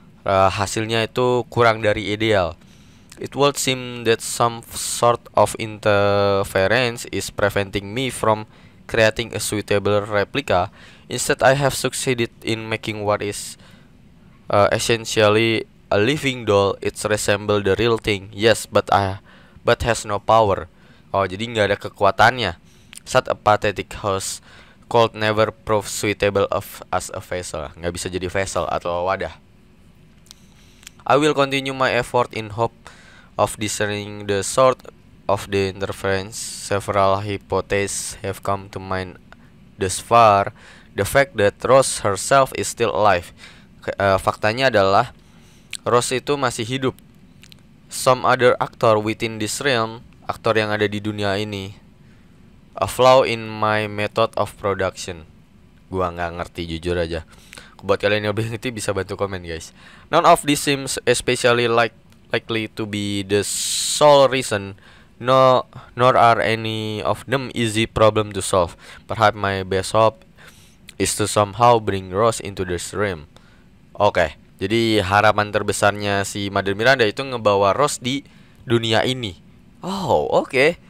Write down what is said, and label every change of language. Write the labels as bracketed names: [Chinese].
[Indonesian] Hasilnya itu kurang dari ideal. [English] It would seem that some sort of interference is preventing me from creating a suitable replica. Instead, I have succeeded in making what is essentially a living doll. It resembles the real thing. Yes, but has no power. [Indonesian] Oh, jadi nggak ada kekuatannya. [English] Such a pathetic host could never prove suitable of as a vessel. [Indonesian] Nggak bisa jadi vessel atau wadah. [English] I will continue my effort in hope of discerning the sort of the interference. Several hypotheses have come to mind thus far. The fact that Rose herself is still alive. [Indonesian] Faktanya adalah Rose itu masih hidup. [English] Some other actor within this realm, [Indonesian] aktor yang ada di dunia ini. [English] A flaw in my method of production. [Indonesian] Gua gak ngerti jujur aja. Buat kalian yang lebih ngerti bisa bantu komen guys. [English] None of this seems especially likely to be the sole reason, nor are any of them easy problem to solve. Perhaps my best hope is to somehow bring Rose into the stream. [Indonesian] Oke, jadi harapan terbesarnya si Mother Miranda itu ngebawa Rose di dunia ini. Oh, oke.